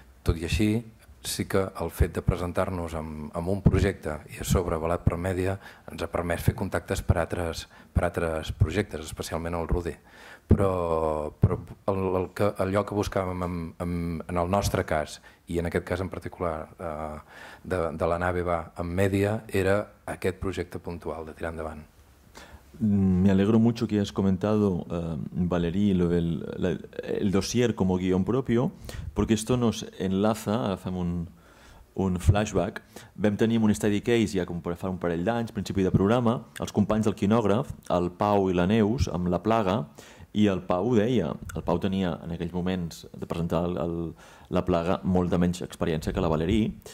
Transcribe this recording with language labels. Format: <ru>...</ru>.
<ca>Tot i així, sí que el fet de presentar-nos amb un projecte i a sobre avalat per Mèdia ens ha permès fer contactes per altres projectes, especialment el Rudi. Però allò que buscàvem en el nostre cas, i en aquest cas en particular de la nave va amb Mèdia, era aquest projecte puntual de tirar endavant.</ca> <es>Me alegro mucho que has comentado, Valerí, lo del el dossier como guión propio, porque esto nos enlaza,</es> <ca>fem un flashback. Vam tenir un study case ja fa un parell d'anys, principi de programa, els companys del quinògraf, el Pau i la Neus, amb La Plaga, i el Pau ho deia, el Pau tenia en aquells moments de presentar La Plaga molt de menys experiència que la Valerí,</ca>